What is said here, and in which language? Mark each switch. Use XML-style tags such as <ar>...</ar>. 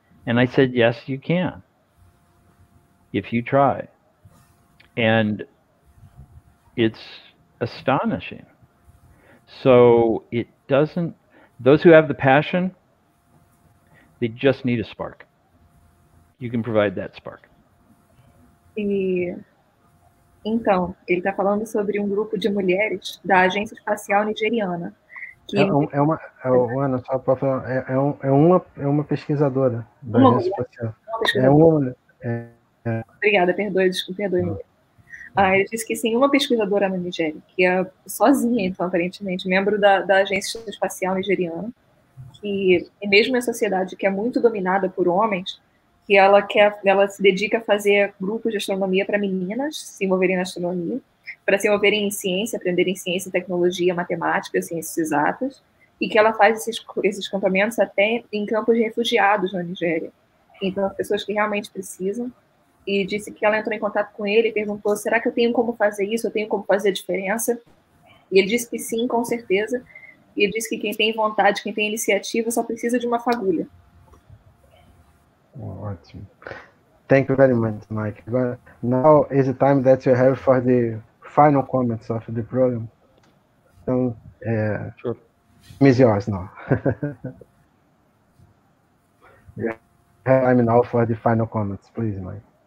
<en>And I said, yes, you can, if you try. And it's astonishing. So it doesn't, those who have the passion, they just need a spark. You can provide that spark.</en> <pt>Então, ele está falando sobre um grupo de mulheres da Agência Espacial Nigeriana. Que... É uma pesquisadora da Agência Espacial. Obrigada, perdoe-me. Ah, ele disse que sim, uma pesquisadora na Nigéria, que é sozinha, então, aparentemente, membro da Agência Espacial Nigeriana, que é mesmo uma sociedade que é muito dominada por homens, que ela se dedica a fazer grupos de astronomia para meninas se envolverem na astronomia, para se envolverem em ciência, aprenderem ciência, tecnologia, matemática, ciências exatas, e que ela faz esses campamentos até em campos de refugiados na Nigéria. Então, pessoas que realmente precisam. E disse que ela entrou em contato com ele e perguntou, será que eu tenho como fazer isso? Eu tenho como fazer a diferença? E ele disse que sim, com certeza. E ele disse que quem tem vontade, quem tem iniciativa, só precisa de uma fagulha. Ótimo.</pt> <en>Thank you very much, Mike. But now is the time that you have for the final comments of the program. So, sure. Time is yours now. You have time now for the final comments, please, Mike.</en>